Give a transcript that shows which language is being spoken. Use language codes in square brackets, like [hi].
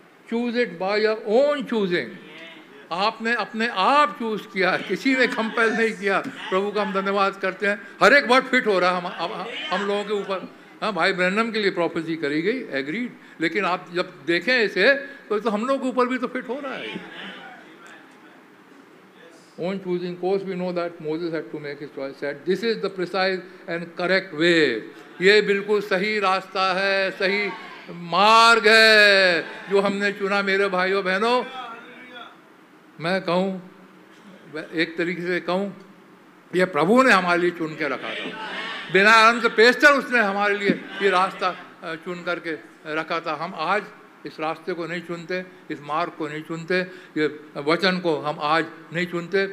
[en] choose it by your own choosing, [hi] आपने अपने आप चूज किया, किसी ने कंपेल नहीं किया। प्रभु का हम धन्यवाद करते हैं, हर एक वर्ड फिट हो रहा है हम लोगों के ऊपर। हाँ, भाई ब्रैनम के लिए प्रोफेसी करी गई, एग्रीड, लेकिन आप जब देखें इसे तो हम लोगों के ऊपर भी तो फिट हो रहा है। [en] Own choosing course, we know that Moses had to make his choice, said this is the precise and correct way, [hi] ये बिल्कुल सही रास्ता है, सही मार्ग है जो हमने चुना। मेरे भाइयों बहनों, मैं कहूँ एक तरीके से कहूँ, ये प्रभु ने हमारे लिए चुन के रखा था, बिना आरंभ से पेस्टर उसने हमारे लिए ये रास्ता चुन करके रखा था। हम आज इस रास्ते को नहीं चुनते, इस मार्ग को नहीं चुनते, ये वचन को हम आज नहीं चुनते।